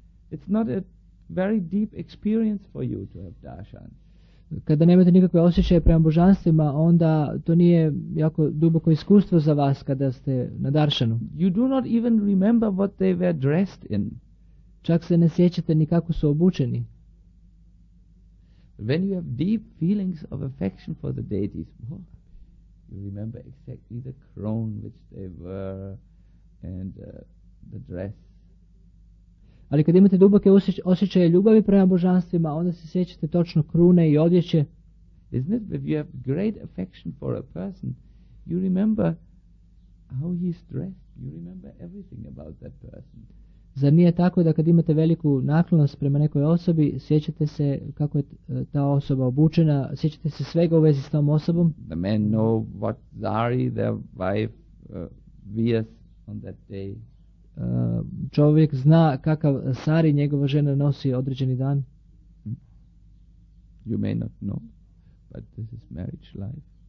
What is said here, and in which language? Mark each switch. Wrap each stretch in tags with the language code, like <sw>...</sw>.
<en>It's not a very deep experience for you to have darshan.</en> <hr>Kada nemate nikakve osjećaje prema božanstvima, onda to nije jako duboko iskustvo za vas kada ste na darshanu.</hr> <en>You do not even remember what they were dressed in.</en> <hr>Čak se ne sjećate ni kako su obučeni.</hr> <en>When you have deep feelings of affection for the deities, you remember exactly the crown which they were and the dress.</en> <hr>Ali kad imate duboke osjećaje ljubavi prema božanstvima, onda se sjećate točno krune i odjeće.</hr> <en>Isn't it? If you have great affection for a person, you remember how he's dressed. You remember everything about that person.</en> <hr>Zar nije tako da kad imate veliku naklonost prema nekoj osobi, sjećate se kako je ta osoba obučena, sjećate se svega u vezi s tom osobom?</hr> <en>The men know what Zari, their wife, wears on that day.</en> <hr>Čovjek zna kakav Sari, njegova žena, nosi određeni dan.</hr> <en>You may not know, but this is marriage life.</en>